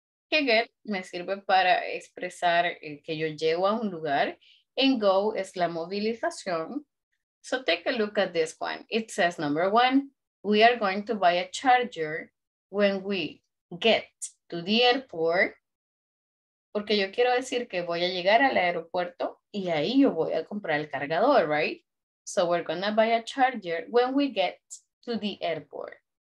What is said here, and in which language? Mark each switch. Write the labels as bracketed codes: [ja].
[es] Que get me sirve para expresar que yo llego a un lugar. [en] And go [es] es la movilización. [en] So take a look at this one. It says, number one, we are going to buy a charger when we get to the airport. [es] Porque yo quiero decir que voy a llegar al aeropuerto y ahí yo voy a comprar el cargador, [en] right? So we're gonna buy a charger when we get to the airport.